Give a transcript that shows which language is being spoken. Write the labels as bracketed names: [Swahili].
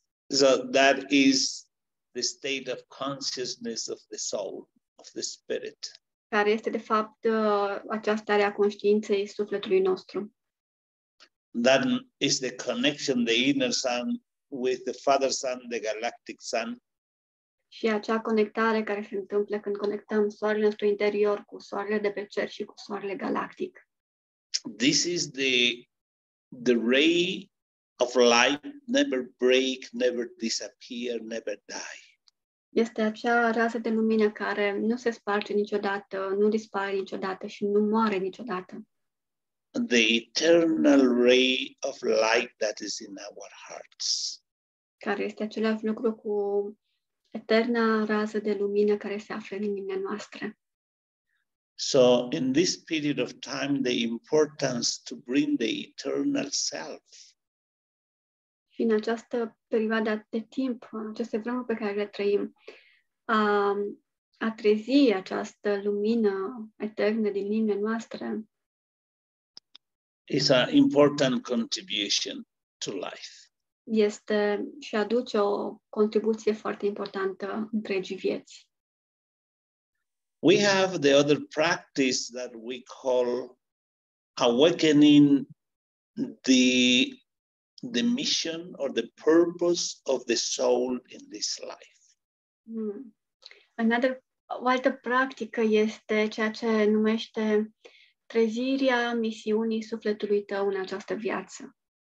[English] So that is the state of consciousness of the soul, of the spirit. [Romanian] Care este de fapt această stare a conștiinței sufletului nostru. [English] That is the connection, the inner sun with the Father Sun, the galactic sun. [Romanian] Și acea conectare care se întâmplă când conectăm soarele nostru interior cu soarele de pe cer și cu soarele galactic. [English] This is the ray of light, never break, never disappear, never die. [Romanian] Este acea rază de lumină care nu se sparge niciodată, nu dispare niciodată și nu moare niciodată. [English] The eternal ray of light that is in our hearts. [Romanian] Care este același lucru cu eterna rază de lumină care se află în inimile noastre. [English] So, in this period of time, the importance to bring the eternal self. [Romanian] Și în această perioadă de timp, aceste vremuri pe care le trăim, a trezi această lumină eternă din inimile noastre. [English] It's an important contribution to life. [Romanian] Este și aduce o contribuție foarte importantă întregii vieți. [English] We have the other practice that we call awakening the mission or the purpose of the soul in this life. Another, [Romanian] o altă practică este ceea ce numește trezirea misiunii sufletului tău în această viață.